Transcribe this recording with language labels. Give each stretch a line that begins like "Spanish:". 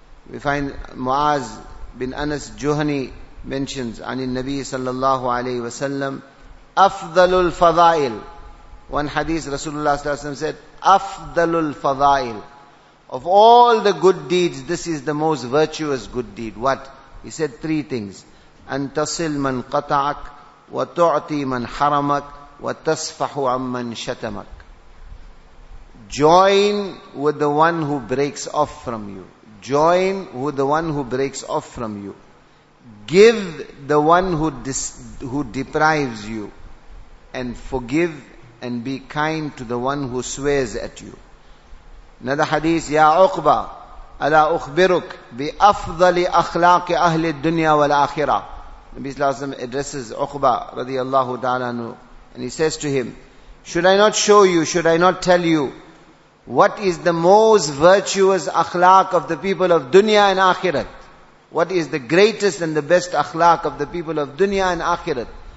English: We find Muaz bin Anas Juhani mentions Anin Nabi sallallahu alayhi wa sallam Afdalul Fada'il. One hadith Rasulullah sallallahu alayhi wa sallam said Afdalul Fada'il. Of all the good deeds, this is the most virtuous good deed. What? He said three things.
Arabic: أن تصل من قطعك وتعطي من حرمك وتصفح عمن شتمك.
English: Join with the one who breaks off from you. Join with the one who breaks off from you. Give the one who deprives you. And forgive and be kind to the one who swears at you. Another hadith,
Arabic: يا عقبة ألا أخبرك بأفضل أخلاق أهل الدنيا والآخرة.
English: Nabi Sallallahu Alaihi Wasallam addresses Uqba radiallahu ta'ala anhu, and he says to him, should I not show you, should I not tell you what is the most virtuous akhlaq of the people of dunya and akhirat? What is the greatest and the best akhlaq of the people of dunya and akhirat?